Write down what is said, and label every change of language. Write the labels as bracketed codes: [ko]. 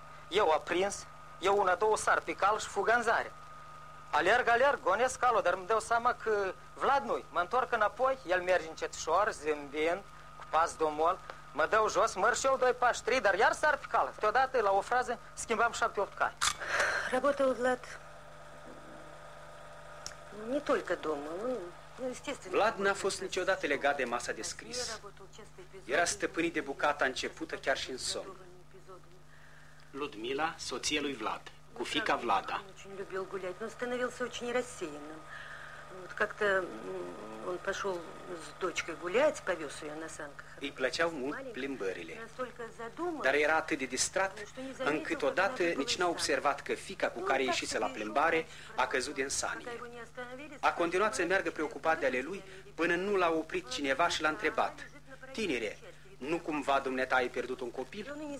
[ro] Eu a prins, eu una, două sar pe cal și fug în zare. Alerg, alerg, gonesc calul, dar îmi dau seama că Vlad nu-i. Mă întorc înapoi, el merge încetșor, zâmbind, cu pas domol. Mă dau jos, măr și eu doi pași, trei, dar iar s-ar picală. Teodată, la o frază, schimbam 7-8 cai. [ru] Работа у Влад не только дома, естественно. [ro] Влад n-a fost niciodată legat de masa de scris. Era stăpânit de bucata începută chiar și în somn. Ludmila, soția lui Влад, cu fica Влада. [ru] Очень любил гулять, но становился очень рассеянным. Вот как-то он пошел с дочкой гулять, повез ее на санках. [ro] Îi plăceau mult plimbările. Dar era atât de distrat, încât odată nici n-a observat că fica cu care ieșise la plimbare a căzut din sanie. A continuat să meargă preocupat de ale lui până nu l-a oprit cineva și l-a întrebat. Tinere, nu cumva dumneata ai pierdut un copil?